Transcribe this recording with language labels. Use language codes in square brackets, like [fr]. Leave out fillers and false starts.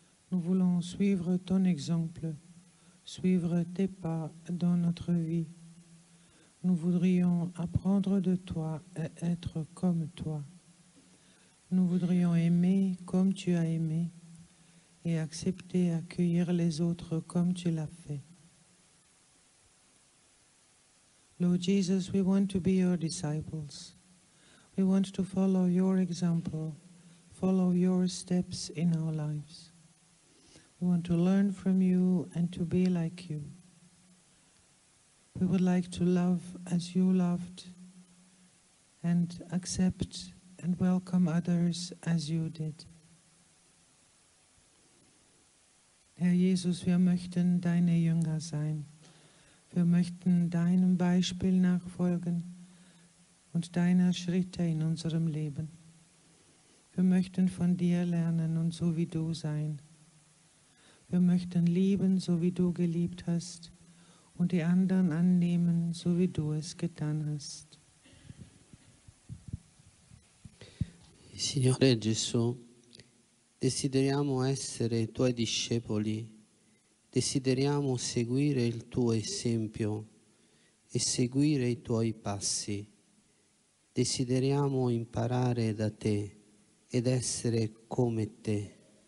[fr] Nous voulons suivre ton exemple, suivre tes pas dans notre vie. Nous voudrions apprendre de toi et être comme toi. Nous voudrions aimer comme tu as aimé et accepter, accueillir les autres comme tu l'as fait. [en] Lord Jesus, we want to be your disciples. We want to follow your example, follow your steps in our lives. We want to learn from you and to be like you. We would like to love as you loved and accept and welcome others as you did. [de] Herr Jesus, wir möchten deine Jünger sein. Wir möchten deinem Beispiel nachfolgen und deiner Schritte in unserem Leben. Wir möchten von dir lernen und so wie du sein. Wir möchten lieben, so wie du geliebt hast, und die anderen annehmen, so wie du es getan hast. [it] Signore Gesù, desideriamo essere tuoi discepoli, desideriamo seguire il tuo esempio e seguire i tuoi passi. Desideriamo imparare da te ed essere come te.